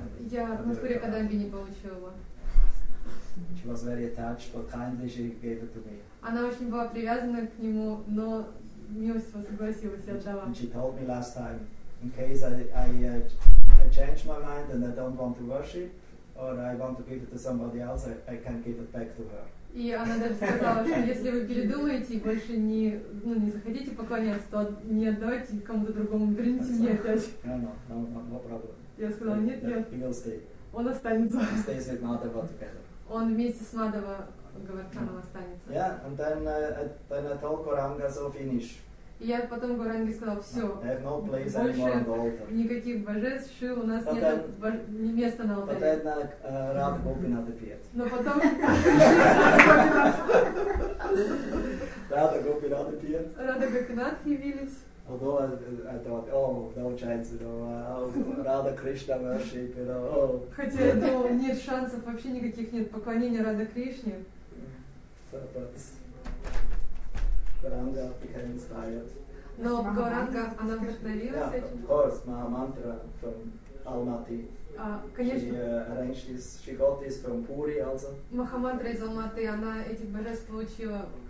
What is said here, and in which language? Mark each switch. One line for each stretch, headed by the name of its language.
Russian: Я в Мадхуре Кадамбини получила его.
English: She was very attached, but kindly she gave it to me.
Russian: Она очень была привязана к нему, но милостиво согласилась и отдала.
English: And she told me last time, in case I change my mind and I don't want to worship, or I want to give it to somebody else, I can give it back to her.
Russian: И она даже сказала, что если вы передумаете и больше не, ну, не захотите поклоняться, то не отдавайте кому-то другому, верните мне опять.
English: No problem.
Russian: Я сказала, нет, нет, он останется.
English: He stays with Madhava together.
Russian: Он вместе с Madhava Govardhanом останется.
English: Yeah, and then I told Goranga, so finish.
Russian: И я потом Горанге сказал, все,
English: I have no place
Russian: больше
English: anymore on the altar.
Russian: Никаких божеств, шил, у нас нет ни места на алтаре.
English: But then Radha Gopinath appeared.
Russian: Но потом...
English: Radha Gopinath appeared.
Russian: Radha Gopinath явились.
English: Although I thought, oh, no chance, you know, Radha Krishna worship, you know, oh.
Russian: Хотя я думал, нет шансов, вообще никаких нет поклонения Радхе Кришне.
English: So, but Gauranga became inspired.
Russian: Но Гауранга, она вдохновилась этим?
English: Yeah, of course, Mahamantra from Almaty.
Russian: Конечно.
English: She arranged this, she got this from Puri also.
Russian: Mahamantra из Алматы, она этих божеств получила.